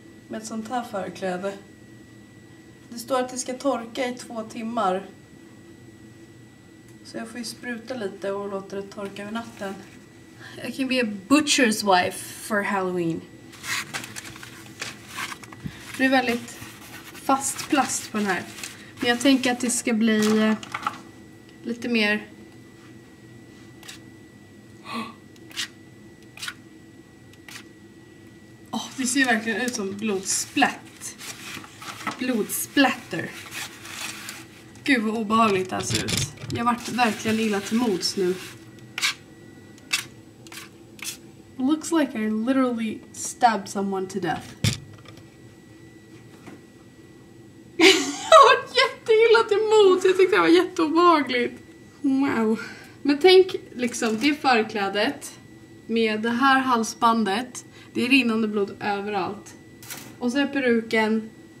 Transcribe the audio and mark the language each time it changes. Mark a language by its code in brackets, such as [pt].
[sv] med ett sånt här förkläde. Det står att det ska torka i 2 timmar. Så jag får ju spruta lite och låta det torka över natten. [en] I can be a butcher's wife for Halloween. [sv] Det är väldigt fast plast på den här. Men jag tänker att det ska bli lite mer... Det ser verkligen ut som blodsplätt. Blodsplätter. Gud vad obehagligt det här ser ut. Jag vart verkligen illa till mods nu. [en] It looks like I literally stabbed someone to death. [sv] Jag vart jätteilla till mods. Jag tyckte det var jätteobehagligt. Wow. Men tänk liksom det förklädet. Med det här halsbandet. Det är rinnande blod överallt. Och så är peruken.